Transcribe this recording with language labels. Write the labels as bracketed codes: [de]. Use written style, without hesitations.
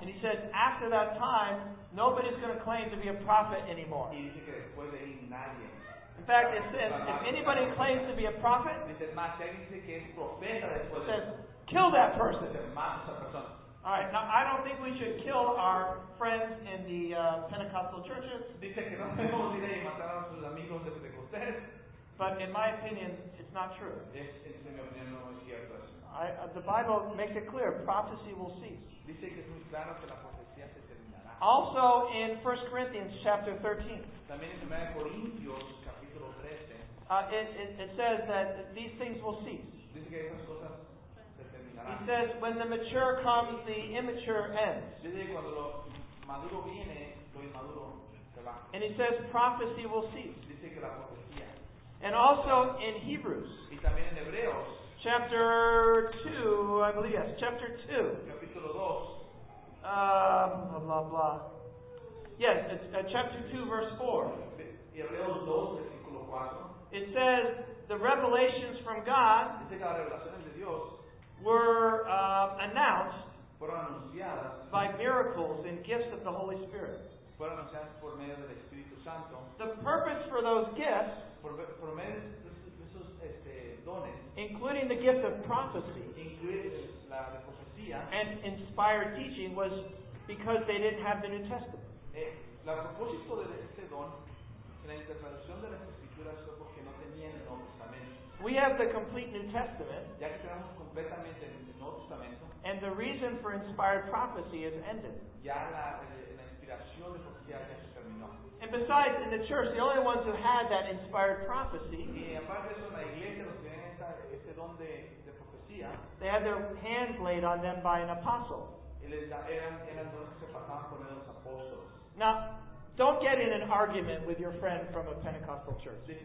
[en] And he says, after that time, nobody's going to claim to be a prophet anymore. [es] Y dice que después de ahí, nadie. [en] In fact, it says, if anybody claims to be a prophet, [es] dice, más, si alguien dice que es profeta después [en] it says, kill that person. [es] Dice, mata esa persona. [en] All right, now I don't think we should kill our friends in the Pentecostal churches. [es] Dice que no debemos ir y matar a sus amigos de Pentecostés. [en] But in my opinion, it's not true. The Bible makes it clear, prophecy will cease. [es] Dice que es muy claro que la profecía se terminará. [en] Also in 1 Corinthians chapter 13. [es] También en 1 Corintios capítulo 13. [en] It says that these things will cease. [es] Dice que esas cosas se terminarán. [en] It says, when the mature comes, the immature ends. [es] Dice que cuando lo maduro viene, lo inmaduro se va. [en] And it says, prophecy will cease. [es] Dice que la profecía. [en] And also in Hebrews, [es] y también en Hebreos, [en] chapter 2, I believe, yes, chapter 2, [es] capítulo dos, [en] blah, blah, blah. Yes, it's chapter 2, verse 4. [es] Y Hebreos dos, versículo cuatro, [en] it says, the revelations from God [es] dice que las revelaciones de Dios [en] were announced [es] fueron anunciadas [en] by miracles and gifts of the Holy Spirit. [es] fueron anunciadas por medio del Espíritu Santo. [en] The purpose for those gifts, [es] por medio de esos dones, [en] including the gift of prophecy, [es] incluidos la de profecía, [en] and inspired teaching, was because they didn't have the New Testament. [es] La propósito de este don, en la interpretación de las escrituras, fue porque no tenían el Nuevo Testamento. [en] We have the complete New Testament. [es] Ya que tenemos completamente el Nuevo Testamento. [en] And the reason for inspired prophecy is ended. [es] Ya la inspiración de profecía ya se terminó. [en] And besides, in the church, the only ones who had that inspired prophecy. [es] Y aparte de eso, la iglesia los tienen este don de profecía. [en] They had their hands laid on them by an apostle. [es] Y les eran dones que se pasaban por medio de los apóstoles. [en] Now, don't get in an argument with your friend from a Pentecostal church.